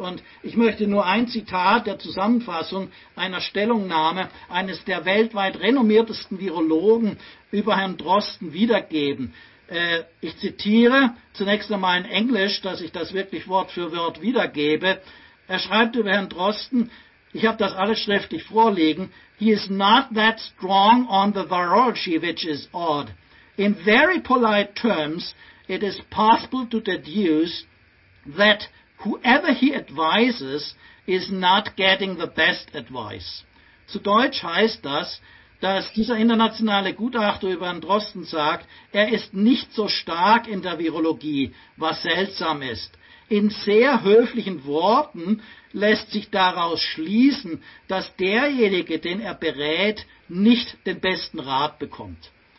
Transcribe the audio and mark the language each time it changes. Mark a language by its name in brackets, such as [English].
[German] Und ich möchte nur ein Zitat der Zusammenfassung einer Stellungnahme eines der weltweit renommiertesten Virologen über Herrn Drosten wiedergeben. Ich zitiere zunächst einmal in Englisch, dass ich das wirklich Wort für Wort wiedergebe. Er schreibt über Herrn Drosten, ich habe das alles schriftlich vorliegen, [English] he is not that strong on the virology, which is odd. In very polite terms, it is possible to deduce that whoever he advises is not getting the best advice. [German] Zu Deutsch heißt das, dass dieser internationale Gutachter über Herrn Drosten sagt, er ist nicht so stark in der Virologie, was seltsam ist. In sehr höflichen Worten lässt sich daraus schließen, dass derjenige, den er berät, nicht den besten Rat bekommt.